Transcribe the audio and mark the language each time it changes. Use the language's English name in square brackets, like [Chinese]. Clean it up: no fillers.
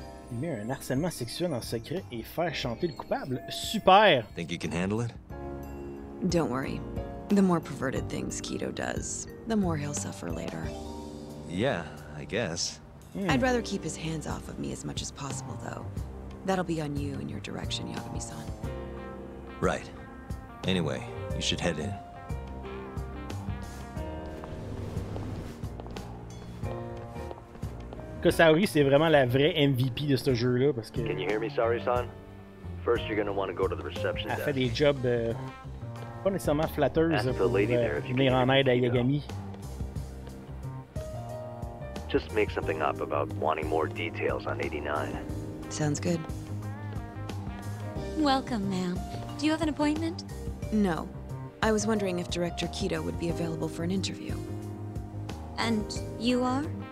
[French] Mais un harcèlement sexuel en secret et faire chanter le coupable, super! [English] Think you can handle it? Don't worry. The more perverted things Kido does, the more he'll suffer later. Yeah, I guess. I'd rather keep his hands off of me as much as possible, though. That'll be on you and your direction, Yagami-san. Right. Anyway, you should head in. [French] Kosaori, c'est vraiment la vraie MVP de ce jeu-là, parce que... [English] can you hear me, Saori-san? First, you're gonna want to go to the reception desk. [French] Elle fait des jobs pas nécessairement flatteuses pour venir en aide à Yagami. [English] Just make something up about wanting more details on 89. Sounds good. Welcome, ma'am. Do you have an appointment? No. I was wondering if Director Kido would be available for an interview. And you are?